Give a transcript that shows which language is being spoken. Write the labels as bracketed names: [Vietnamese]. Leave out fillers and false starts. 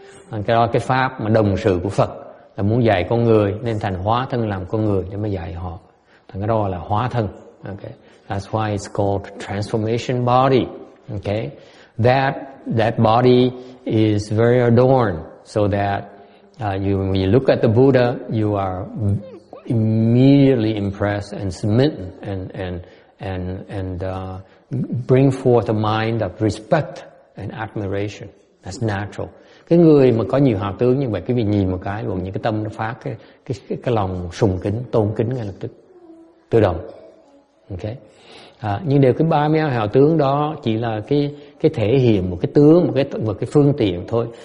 [Vietnamese] Cái đó là cái pháp mà đồng sự của Phật là muốn dạy con người nên thành hóa thân làm con người để mà dạy họ. Thằng cái đó là hóa thân. Okay. [English] That's why it's called transformation body. Okay, that body is very adorned so that when you look at the Buddha, you are immediately impressed and smitten and bring forth a mind of respect and admiration. That's natural. [Vietnamese] Cái người mà có nhiều hào tướng như vậy, cái vị nhìn một cái luôn, những cái tâm nó phát cái lòng sùng kính, tôn kính ngay lập tức, tự động. Okay. Nhưng đều cái 32 hào tướng đó chỉ là cái thể hiện một cái tướng, một cái phương tiện thôi.